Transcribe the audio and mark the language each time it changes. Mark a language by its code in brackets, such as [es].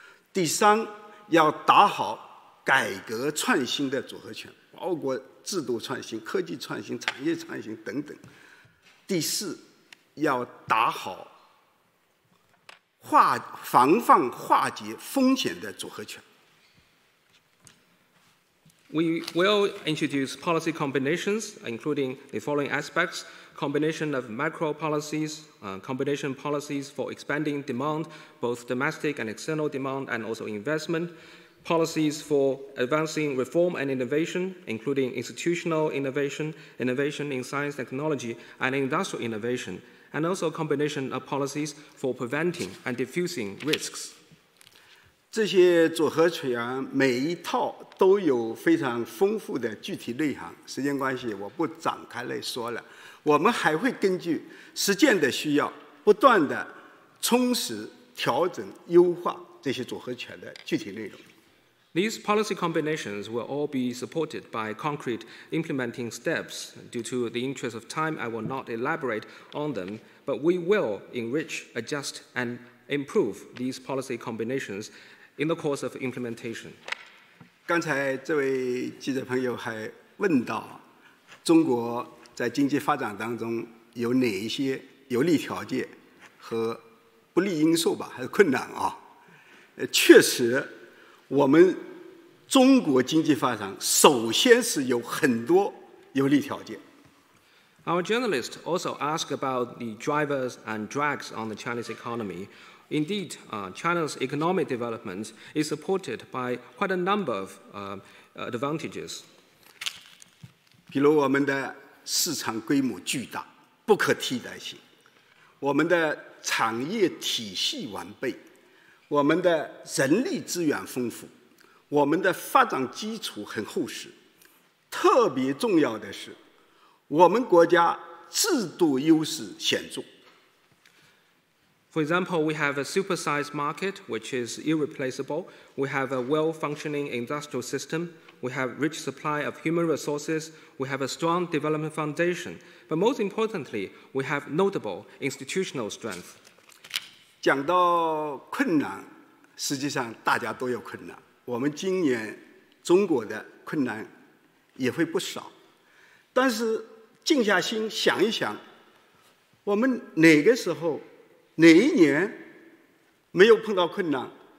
[zh] 第三，要打好改革创新的组合拳，包括制度创新、科技创新、产业创新等等。第四，要打好防范化解风险的组合拳。 [en] We will introduce policy combinations, including the following aspects: combination of macro policies, combination policies for expanding demand, both domestic and external demand, and also investment. Policies for advancing reform and innovation, including institutional innovation, innovation in science, technology, and industrial innovation. And also a combination of policies for preventing and diffusing risks. [zh] 这些组合拳每一套都有非常丰富的具体内涵，时间关系我不展开来说了。我们还会根据实践的需要，不断的充实、调整、优化这些组合拳的具体内容。 [en] These policy combinations will all be supported by concrete implementing steps. Due to the interest of time, I will not elaborate on them, but we will enrich, adjust, and improve these policy combinations in the course of implementation. [zh] 刚才这位记者朋友还问到，中国在经济发展当中有哪一些有利条件和不利因素吧，还是困难啊？确实我们中国经济发展首先是有很多有利条件。 [en] Our journalist also asked about the drivers and drags on the Chinese economy. Indeed, China's economic development is supported by quite a number of advantages. [zh] 比如我们的市场规模巨大，不可替代性，我们的产业体系完备，我们的人力资源丰富，我们的发展基础很厚实，特别重要的是我们国家制度优势显著。 [en] For example, we have a supersized market, which is irreplaceable. We have a well-functioning industrial system. We have rich supply of human resources. We have a strong development foundation. But most importantly, we have notable institutional strength. [zh] 讲到困难，实际上大家都有困难。我们今年中国的困难也会不少。但是静下心想一想，我们哪个时候哪一年没有碰到困难？